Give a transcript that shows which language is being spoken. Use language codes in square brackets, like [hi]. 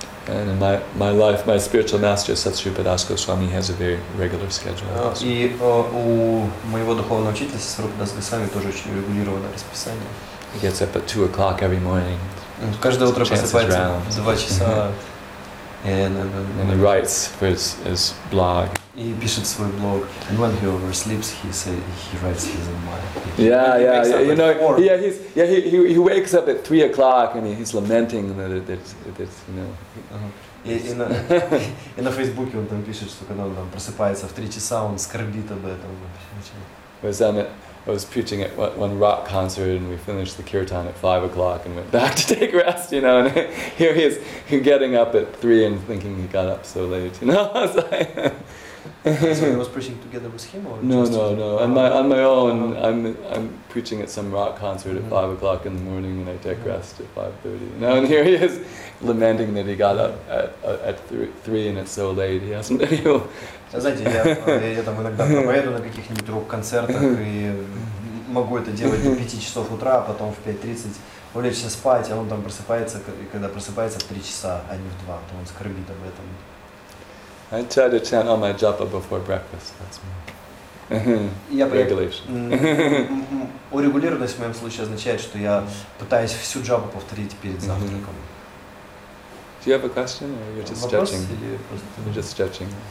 [en] And in my life, my spiritual master, Satsrupa Das Goswami, has a very regular schedule. [ru] И у моего духовного учителя Сарупа Дас Госвами тоже очень урегулированное расписание. [en] He gets up at 2 o'clock every morning. [ru] Каждое утро просыпается в 2 часа. [en] And he writes his blog. [ru] He пишет свой блог. [en] And when he oversleeps, he writes his mind. He wakes up at 3 o'clock and he's lamenting that it's, you know. [ru] И на Фейсбуке он там пишет, что когда он там просыпается в 3 часа, он скорбит об этом вообще. [en] I was preaching at one rock concert and we finished the kirtan at 5 o'clock and went back to take rest, you know, and here he is getting up at 3 and thinking he got up so late, you know. So he was preaching together with him or No. On my own. I'm preaching at some rock concert at 5 o'clock in the morning and I take rest at 5:30. You know, and here he is lamenting that he got up at 3 and it's so late, he hasn't been able. [ru] Знаете, я там иногда поеду на каких-нибудь рок-концертах и могу это делать до 5 часов утра, а потом в 5:30 улечься спать, а он там просыпается, и когда просыпается в 3 часа, а не в 2, то он скорбит об этом. [en] I try to chant all my japa before breakfast. That's my regulation. [ru] Урегулированность в моем случае означает, что я пытаюсь всю джапу повторить перед завтраком. [en] Do you have a question, or you're just stretching? You're just stretching.